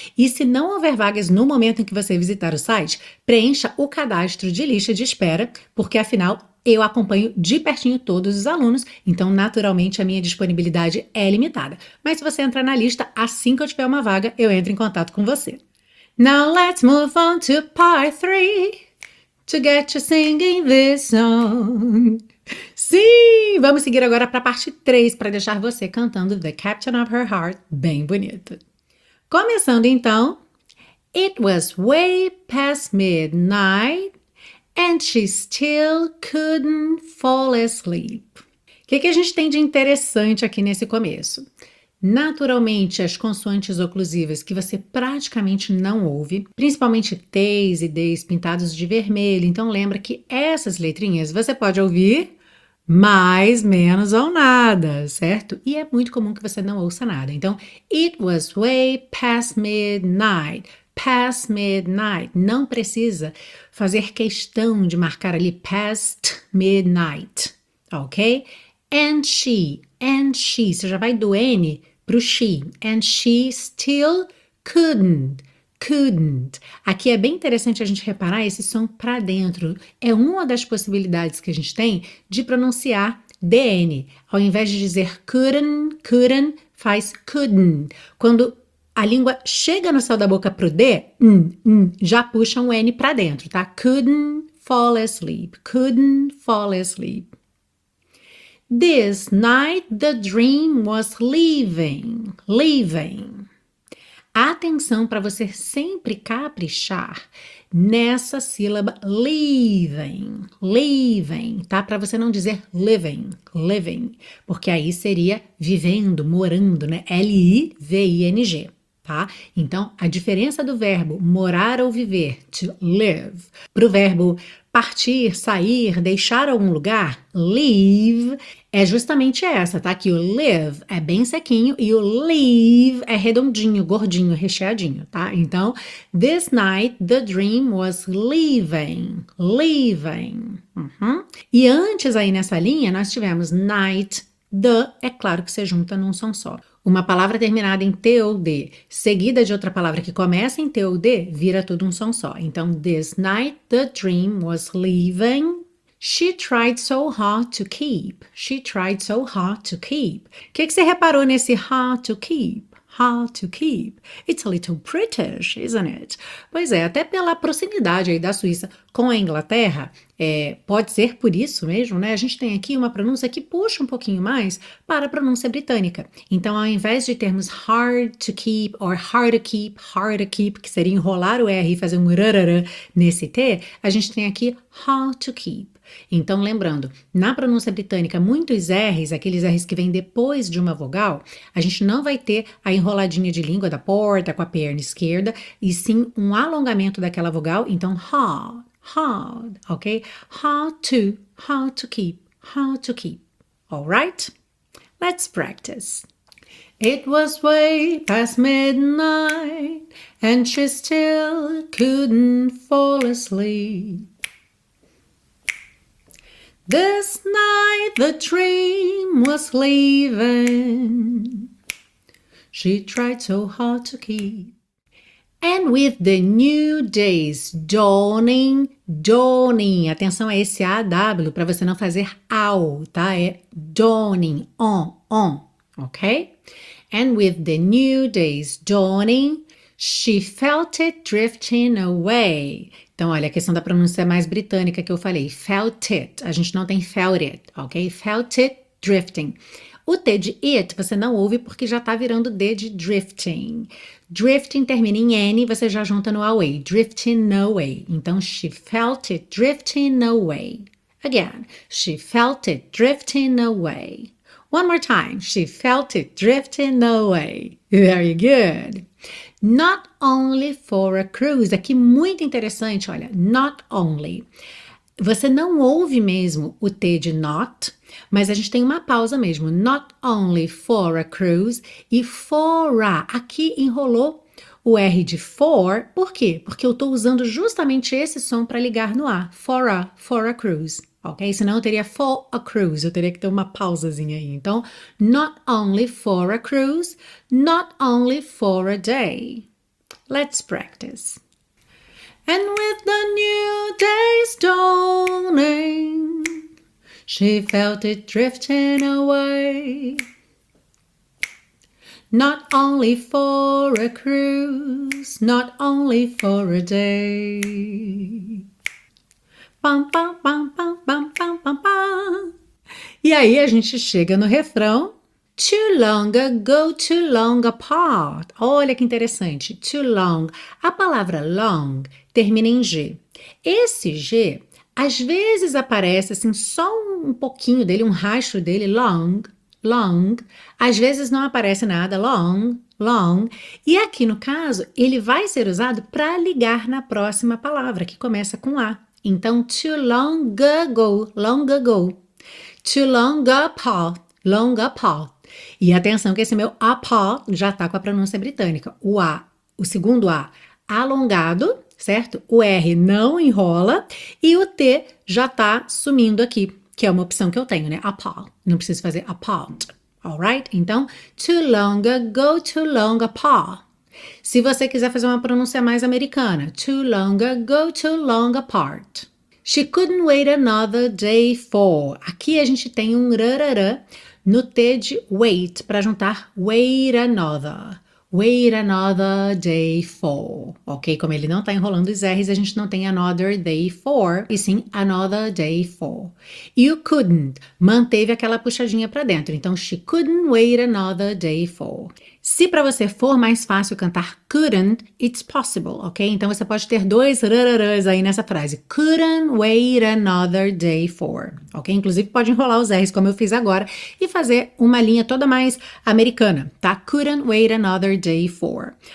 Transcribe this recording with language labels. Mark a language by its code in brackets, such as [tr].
[pt] E se não houver vagas no momento em que você visitar o site, preencha o cadastro de lista de espera, porque afinal eu acompanho de pertinho todos os alunos, então naturalmente a minha disponibilidade é limitada. Mas se você entrar na lista, assim que eu tiver uma vaga, eu entro em contato com você. [en] Now let's move on to part three, to get you singing this song. [pt] Sim, vamos seguir agora para a parte 3, para deixar você cantando The Captain of Her Heart bem bonito. Começando então. [en] It was way past midnight and she still couldn't fall asleep. [pt] Que a gente tem de interessante aqui nesse começo? Naturalmente, as consoantes oclusivas que você praticamente não ouve, principalmente T's e D's pintados de vermelho. Então, lembra que essas letrinhas você pode ouvir mais, menos ou nada, certo? E é muito comum que você não ouça nada. Então, [en] it was way past midnight. Past midnight. [pt] Não precisa fazer questão de marcar ali [en] past midnight, [pt] ok? [en] And she. [pt] Você já vai do N pro [en] she, and she still couldn't. [pt] Aqui é bem interessante a gente reparar esse som para dentro. É uma das possibilidades que a gente tem de pronunciar DN. Ao invés de dizer [en] couldn't, [pt] faz couldn't. Quando A língua chega no céu da boca pro D, já puxa um N para dentro, tá? [en] Couldn't fall asleep. Couldn't fall asleep. This night the dream was leaving. Leaving. [pt] Atenção para você sempre caprichar nessa sílaba leaving. Leaving, tá? Para você não dizer [en] living, living, [pt] porque aí seria vivendo, morando, né? L-I-V-I-N-G. Tá? Então, a diferença do verbo morar ou viver, [en] to live, [pt] para o verbo partir, sair, deixar algum lugar, leave, é justamente essa, tá? Que o live é bem sequinho e o leave é redondinho, gordinho, recheadinho, tá? [en] Então, this night the dream was leaving, leaving. [pt] E antes aí nessa linha, nós tivemos night, the, é claro que você junta num som só. Uma palavra terminada em T ou D, seguida de outra palavra que começa em T ou D, vira tudo um som só. Então, [en] this night the dream was leaving. She tried so hard to keep. She tried so hard to keep. [pt] Que você reparou nesse [en] hard to keep? Hard to keep. It's a little British, isn't it? [pt] Pois é, até pela proximidade aí da Suíça com a Inglaterra, pode ser por isso mesmo, né? A gente tem aqui uma pronúncia que puxa um pouquinho mais para a pronúncia britânica. Então, ao invés de termos [en] hard to keep or hard to keep, [pt] que seria enrolar o R e fazer um rarara nesse T, a gente tem aqui hard to keep. Então, lembrando, na pronúncia britânica, muitos R's, aqueles R's que vêm depois de uma vogal, a gente não vai ter a enroladinha de língua da porta com a perna esquerda, e sim um alongamento daquela vogal. Então, hard. Hard, ok? [en] Hard to keep, hard to keep. All right? Let's practice. It was way past midnight and she still couldn't fall asleep. This night the dream was leaving. She tried so hard to keep. And with the new days dawning, dawning, [pt] atenção a esse AW para você não fazer ao, tá? É dawning, on, ok? [en] And with the new days dawning, she felt it drifting away. [pt] Então, olha, a questão da pronúncia mais britânica que eu falei, [en] felt it, [pt] a gente não tem felt it, ok? [en] Felt it drifting. [pt] O T de it você não ouve porque já tá virando D de drifting. Drifting termina em N, você já junta no away. [en] Drifting away. [pt] Então, [en] she felt it drifting away. Again, she felt it drifting away. One more time, she felt it drifting away. Very good. Not only for a cruise. [pt] Aqui muito interessante, olha. [en] Not only. [pt] Você não ouve mesmo o T de not. Mas a gente tem uma pausa mesmo. [en] Not only for a cruise. [pt] E fora. Aqui enrolou o R de for. Por quê? Porque eu estou usando justamente esse som para ligar no A. [en] For a cruise. [pt] Ok? Senão eu teria [en] for a cruise. [pt] Eu teria que ter uma pausazinha aí. [en] Então, not only for a cruise. Not only for a day. Let's practice. And with the new days dawning. She felt it drifting away. Not only for a cruise, not only for a day. Pam, pam, pam, pam, pam, pam, pam. [pt] E aí a gente chega no refrão. [en] Too long ago, too long apart. [pt] Olha que interessante. Too long. A palavra long termina em G. Esse G. Às vezes aparece assim só um pouquinho dele, um rastro dele, long, long. Às vezes não aparece nada, long, long. E aqui no caso, ele vai ser usado para ligar na próxima palavra, que começa com A. Então, [en] too long ago, long ago. Too long apart, long apart. [pt] E atenção que esse meu apart já está com a pronúncia britânica. O A, o segundo A, alongado. Certo? O R não enrola e o T já tá sumindo aqui, que é uma opção que eu tenho, né? Apart. Não preciso fazer apart. [en] All right? [pt] Então, [en] too long ago, too long apart. [pt] Se você quiser fazer uma pronúncia mais americana, [en] too long ago, too long apart. She couldn't wait another day for. [pt] Aqui a gente tem um rarara no T de wait para juntar [en] wait another. Wait another day for. [pt] Ok? Como ele não está enrolando os R's, a gente não tem another day for, e sim another day for. [en] You couldn't. [pt] Manteve aquela puxadinha para dentro. Então, [en] she couldn't wait another day for. [pt] Se para você for mais fácil cantar couldn't, [en] it's possible, [pt] ok? Então você pode ter dois rararãs aí nessa frase. [en] Couldn't wait another day for, ok? [pt] Inclusive pode enrolar os R's como eu fiz agora e fazer uma linha toda mais americana, tá? [en] Couldn't wait another day for.